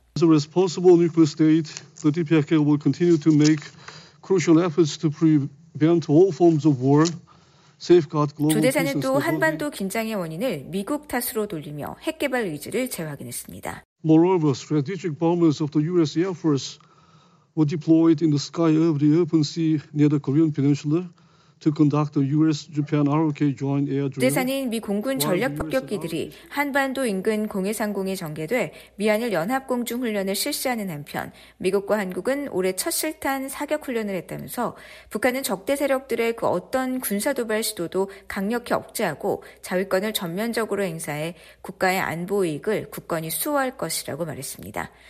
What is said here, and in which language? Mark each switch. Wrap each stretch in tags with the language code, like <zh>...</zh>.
<en>As a responsible nuclear state, the DPRK will continue to make crucial efforts to prevent all forms of war.</en> <ko>조 대사는 또 한반도 긴장의 원인을 미국 탓으로 돌리며 핵 개발 의지를 재확인했습니다.</ko> <en>Moreover, strategic bombers of the U.S. Air Force were deployed in the sky over the open sea near the Korean Peninsula to conduct the U.S.-Japan ROK joint air drill.</en> <ko>대사는 미 공군 전략 폭격기들이 한반도 인근 공해상공에 전개돼 미한일 연합공중 훈련을 실시하는 한편 미국과 한국은 올해 첫 실탄 사격 훈련을 했다면서 북한은 적대 세력들의 그 어떤 군사 도발 시도도 강력히 억제하고 자위권을 전면적으로 행사해 국가의 안보 이익을 굳건히 수호할 것이라고 말했습니다.</ko>